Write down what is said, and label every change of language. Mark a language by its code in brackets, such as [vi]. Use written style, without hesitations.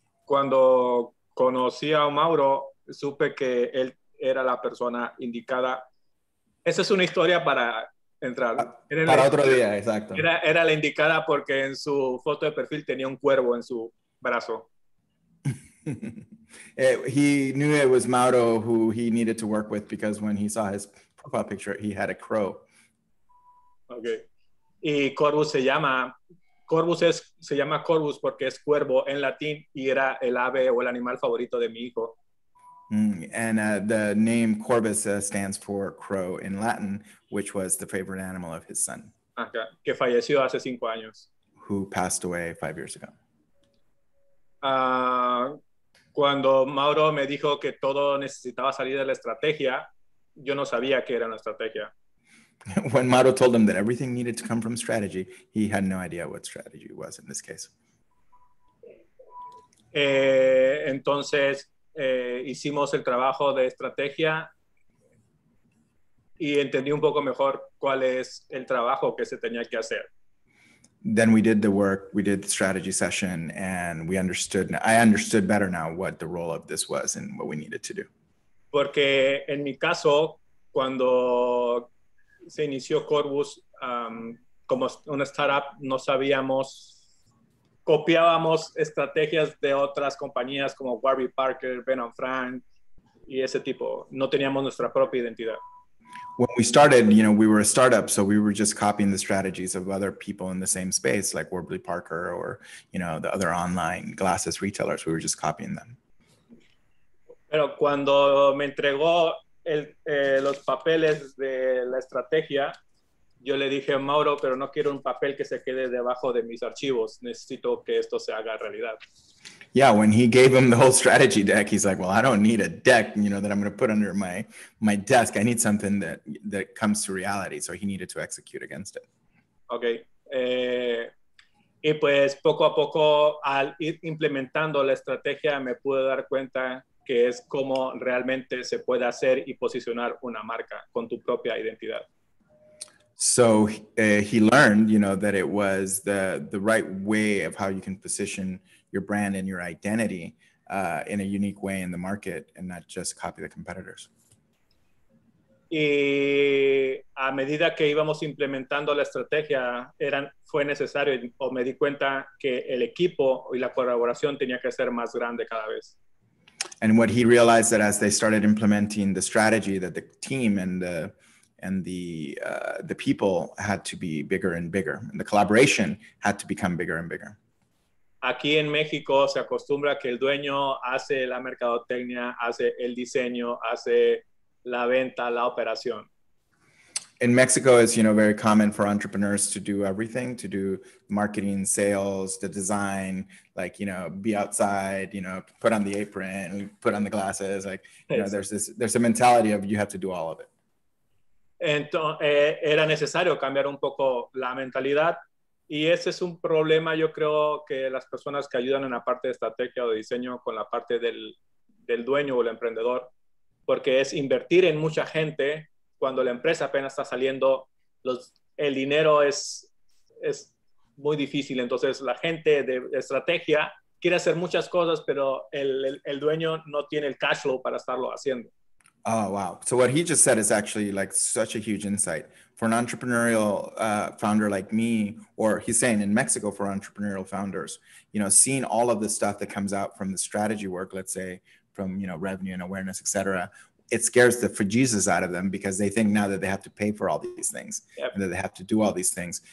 [es] Cuando conocí a Mauro, supe que él era la persona indicada. Esa es una historia para entrar. Para otro día, exacto. Era la indicada porque en su foto de perfil tenía un cuervo en su brazo. [en] He knew it was Mauro who he needed to work with because when he saw his profile picture, he had a crow. Okay. [es] Y Corvus se llama Corvus porque es cuervo en latín y era el ave o el animal favorito de mi hijo. [en] And the name Corvus stands for crow in Latin, which was the favorite animal of his son. [es] Okay. Que falleció hace 5 años. [en] Who passed away 5 years ago. [es] Cuando Mauro me dijo que todo necesitaba salir de la estrategia, yo no sabía qué era una estrategia. [en] When Mauro told him that everything needed to come from strategy, he had no idea what strategy was in this case. [es] Entonces hicimos el trabajo de estrategia y entendí un poco mejor cuál es el trabajo que se tenía que hacer. [en] Then we did the work, we did the strategy session, and I understood better now what the role of this was and what we needed to do. [es] Porque en mi caso, cuando se inició Corvus, como una startup, no sabíamos, copiábamos estrategias de otras compañías como Warby Parker, Ben & Frank, y ese tipo. No teníamos nuestra propia identidad. [en] When we started, you know, we were a startup, so we were just copying the strategies of other people in the same space, like Warby Parker or, you know, the other online glasses retailers. We were just copying them. [es] Pero cuando me entregó los papeles de la estrategia, yo le dije a Mauro, pero no quiero un papel que se quede debajo de mis archivos. Necesito que esto se haga realidad. [en] Yeah, when he gave him the whole strategy deck, he's like, well, I don't need a deck, you know, that I'm going to put under my desk. I need something that comes to reality. So he needed to execute against it. Okay. [es] Y pues poco a poco, al ir implementando la estrategia, me pude dar cuenta que es como realmente se puede hacer y posicionar una marca con tu propia identidad. [en] So he learned, you know, that it was the right way of how you can position your brand and your identity in a unique way in the market and not just copy the competitors. [es] Y a medida que íbamos implementando la estrategia, fue necesario o me di cuenta que el equipo y la colaboración tenía que ser más grande cada vez. [en] And what he realized that as they started implementing the strategy, that the team and the people had to be bigger and bigger, and the collaboration had to become bigger and bigger. [es] Aquí en México se acostumbra que el dueño hace la mercadotecnia, hace el diseño, hace la venta, la operación. [en] In Mexico, it's, you know, very common for entrepreneurs to do everything, to do marketing, sales, the design, like, you know, be outside, you know, put on the apron, put on the glasses, like, you know, there's a mentality of you have to do all of it. [es] Entonces, era necesario cambiar un poco la mentalidad. Y ese es un problema, yo creo, que las personas que ayudan en la parte de estrategia o de diseño con la parte del dueño o el emprendedor, porque es invertir en mucha gente cuando la empresa apenas está saliendo, el dinero es muy difícil. Entonces, la gente de estrategia quiere hacer muchas cosas, pero el dueño no tiene el cash flow para estarlo haciendo. [en] Oh, wow. So what he just said is actually like such a huge insight for an entrepreneurial founder like me, or he's saying in Mexico for entrepreneurial founders, you know, seeing all of the stuff that comes out from the strategy work, let's say from, you know, revenue and awareness, et cetera, it scares the fajizas out of them because they think now that they have to pay for all these things and that they have to do all these things.